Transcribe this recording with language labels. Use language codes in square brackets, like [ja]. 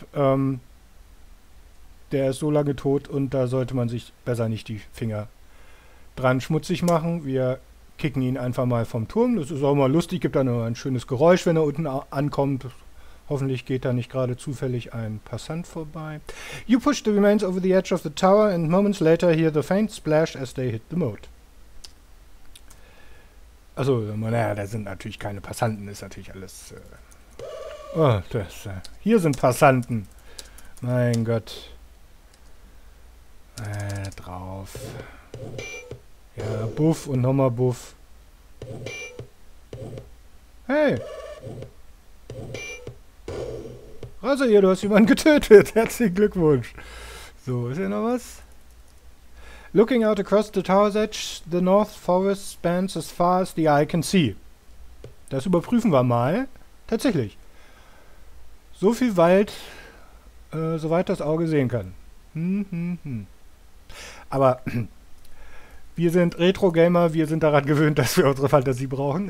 [de] Der ist so lange tot und da sollte man sich besser nicht die Finger dran schmutzig machen. Wir kicken ihn einfach mal vom Turm. Das ist auch mal lustig. Gibt dann immer ein schönes Geräusch, wenn er unten ankommt. Hoffentlich geht da nicht gerade zufällig ein Passant vorbei. [en] You push the remains over the edge of the tower and moments later hear the faint splash as they hit the moat. [de] Also, naja, da sind natürlich keine Passanten, ist natürlich alles. Oh, das. Hier sind Passanten. Mein Gott. Drauf. Ja, buff und nochmal buff. Hey! Also hier, du hast jemanden getötet. Herzlichen Glückwunsch. So, ist hier noch was? [en] Looking out across the tower's edge, the north forest spans as far as the eye can see. [de] Das überprüfen wir mal. Tatsächlich. So viel Wald, soweit das Auge sehen kann. Aber wir sind Retro-Gamer, wir sind daran gewöhnt, dass wir unsere Fantasie brauchen.